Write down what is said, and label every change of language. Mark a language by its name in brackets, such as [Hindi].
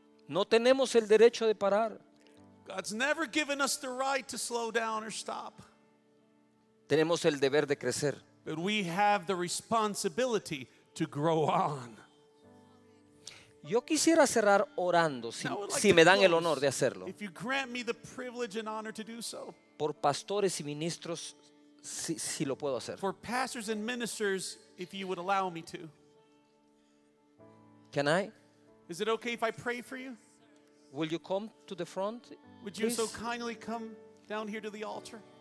[Spanish] No tenemos el derecho de parar. [English] God's never given us the right to slow down or stop. [Spanish] Tenemos el deber de crecer. [English] But we have the responsibility to grow on. [Spanish] Yo quisiera cerrar orando si me dan el honor de hacerlo. [English] If you grant me the privilege and honor to do so. [Spanish] Por pastores y ministros, si lo puedo hacer. [English] For pastors and ministers, if you would allow me to. Can I? Is it okay if I pray for you? Will you come to the front? Would you so kindly come down here to the altar?